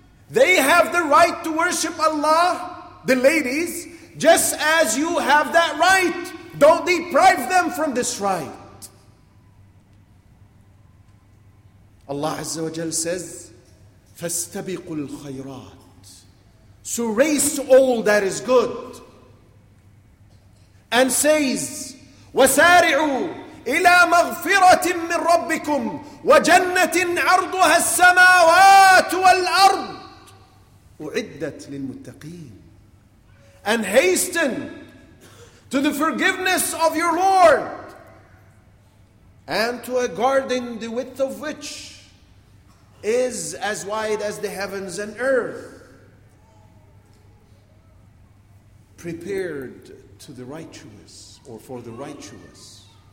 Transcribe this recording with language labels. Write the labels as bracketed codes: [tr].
[en] They have the right to worship Allah, the ladies, just as you have that right. Don't deprive them from this right. Allah Azza wa Jal says, [ar] فَاسْتَبِقُوا الْخَيْرَاتِ. [en] So race all that is good. And says, [ar] وَسَارِعُوا إِلَى مَغْفِرَةٍ مِّن رَبِّكُمْ وَجَنَّةٍ عَرْضُهَا السَّمَاوَاتُ وَالْأَرْضُ أُعِدَّتْ لِلْمُتَّقِينَ. [en] And hasten to the forgiveness of your Lord and to a garden the width of which is as wide as the heavens and earth, prepared to the righteous or for the righteous.